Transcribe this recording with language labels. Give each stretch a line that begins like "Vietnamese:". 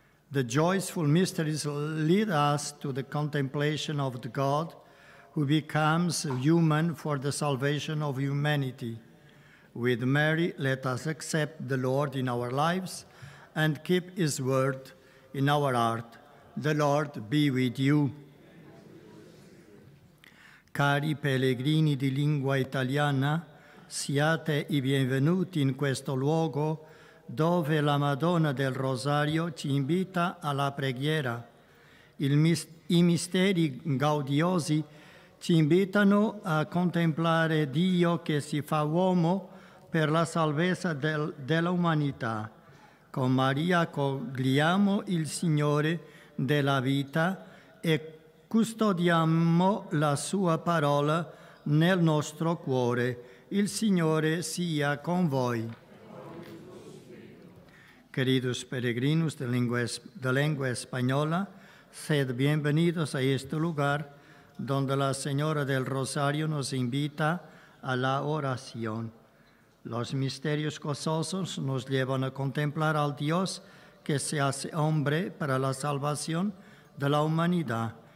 English: The joyful mysteries lead us to the contemplation of the God who becomes human for the salvation of humanity. With Mary, let us accept the Lord in our lives and keep his word in our heart. The Lord be with you.
Italian: Cari pellegrini di lingua italiana, siate i benvenuti in questo luogo dove la Madonna del Rosario ci invita alla preghiera. I misteri gaudiosi ci invitano a contemplare Dio che si fa uomo per la salvezza dell'umanità. Con Maria accogliamo il Signore della vita e custodiamo la sua parola nel nostro cuore. Il Signore sia con voi.
Spanish: Queridos peregrinos de lengua española, sed bienvenidos a este lugar donde la Señora del Rosario nos invita a la oración. Los misterios gozosos nos llevan a contemplar al Dios que se hace hombre para la salvación de la humanidad.